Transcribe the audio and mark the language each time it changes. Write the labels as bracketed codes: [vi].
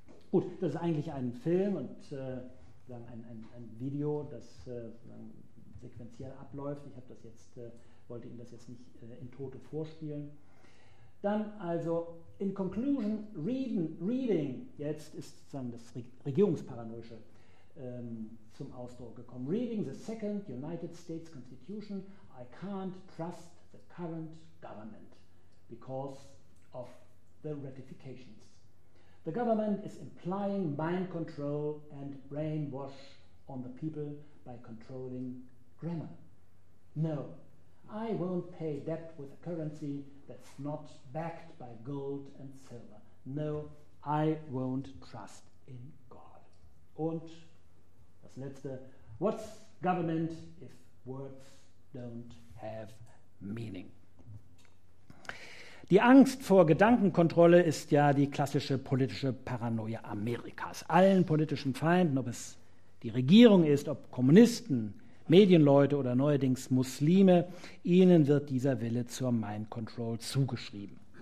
[de] Gut, das ist eigentlich ein Film und ein Video, das sequenziell abläuft. Ich habe das jetzt, wollte Ihnen das jetzt nicht in Tote vorspielen. Dann also, [en] in conclusion, reading, [de] jetzt ist sozusagen das Regierungsparanoische zum Ausdruck gekommen. [en] Reading the second United States Constitution, I can't trust the current government because of the ratifications. The government is implying mind control and brainwash on the people by controlling grammar. No, I won't pay debt with a currency that's not backed by gold and silver. No, I won't trust in God. [de] Und das Letzte, [en] what's government if words don't have meaning? [de] Die Angst vor Gedankenkontrolle ist ja die klassische politische Paranoia Amerikas. Allen politischen Feinden, ob es die Regierung ist, ob Kommunisten, Medienleute oder neuerdings Muslime, ihnen wird dieser Wille zur Mind Control zugeschrieben.